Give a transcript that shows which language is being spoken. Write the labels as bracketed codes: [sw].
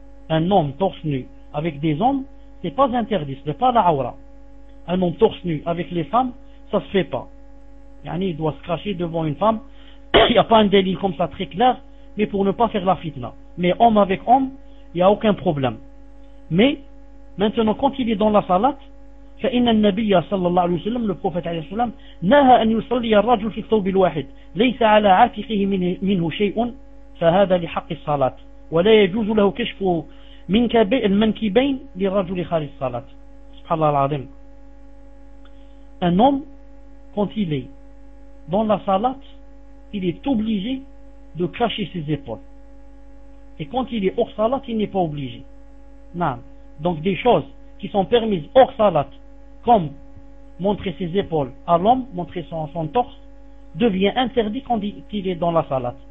[fr] Un homme torse nu avec des hommes, ce n'est pas interdit, ce n'est pas la aura. Un homme torse nu avec les femmes, ça ne se fait pas. Yani, il doit se cracher devant une femme. Il n'y a pas un délit comme ça très clair, mais pour ne pas faire la fitna. Mais homme avec homme, il n'y a aucun problème. Mais maintenant, quand il est dans la salat, [ar] فإن النبي صلى الله عليه وسلم [fr] le prophète [ar] عليه السلام نهى أن يصلي الرجل في الثوب الواحد ليس على عاتقه منه شيء فهذا لحق الصلاة ولا يجوز له كشف المنكبين للرجل خارج الصلاة. سبحان الله العظيم. [fr] Un homme quand il est dans la salat, il est obligé de cacher ses épaules, et quand il est hors salat il n'est pas obligé. Non. Donc des choses qui sont permises hors salat comme montrer ses épaules à l'homme, montrer son torse, devient interdit quand il est dans la salate.